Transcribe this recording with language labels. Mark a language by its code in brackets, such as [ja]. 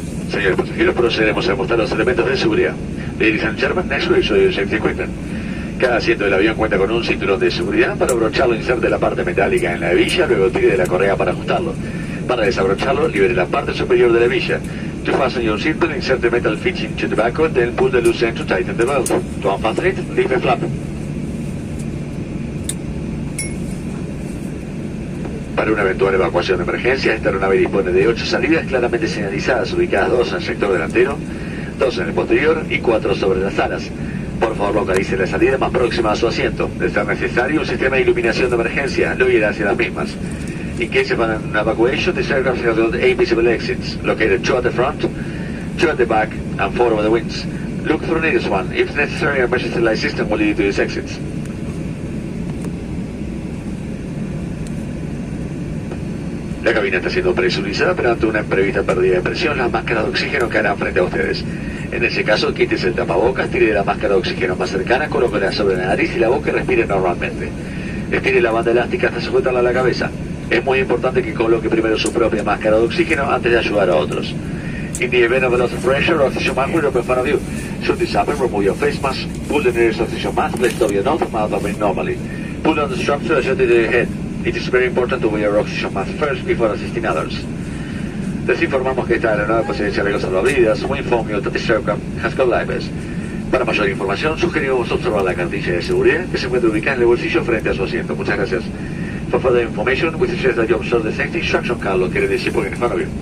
[es] Señores pasajeros, procederemos a mostrar los elementos de seguridad. [en] Ladies and gentlemen, next we show you the safety equipment. [es] Cada asiento del avión cuenta con un cinturón de seguridad. Para abrocharlo, inserte la parte metálica en la hebilla, luego tire de la correa para ajustarlo. Para desabrocharlo, libere la parte superior de la hebilla. [en] To fasten your seatbelt, insert the metal fitting to the back of it, then pull the loose end to tighten the belt. To unfasten it, lift the flap. [es] Para una eventual evacuación de emergencia, esta aeronave dispone de 8 salidas claramente señalizadas, ubicadas 2 en el sector delantero, 2 en el posterior y 4 sobre las alas. Por favor, localice la salida más próxima a su asiento. De ser necesario, un sistema de iluminación de emergencia lo irá hacia las mismas. [en] In case of an evacuation, the aircraft has got 8 visible exits, located 2 at the front, 2 at the back, and 4 over the wings. Look for the nearest one. If necessary, an emergency light system will lead you to these exits. [es] La cabina está siendo presurizada, pero ante una imprevista pérdida de presión, las máscaras de oxígeno caerán frente a ustedes. En ese caso, quítese el tapabocas, tire la máscara de oxígeno más cercana, colóquela sobre la nariz y la boca y respire normalmente. Estire la banda elástica hasta sujetarla a la cabeza. Es muy importante que coloque primero su propia máscara de oxígeno antes de ayudar a otros. [en] In the event of a loss of pressure, oxygen mask will open in front of you. Should this happen, remove your face mask, pull the nearest oxygen mask, let's stop your nose, mouth open normally. Pull on the strap to adjust it to your head. It is very important to wear oxygen mask first before assisting others. [es] Les informamos que esta aeronave posee riesgos salvavidas. [en] We inform you that this aircraft has got life vests. [es] Para mayor información, sugerimos observar la cartilla de seguridad que se encuentra ubicada en el bolsillo frente a su asiento. Muchas gracias. [en] For further information, we suggest that you observe the safety instruction card located in the seatbelt in front of you.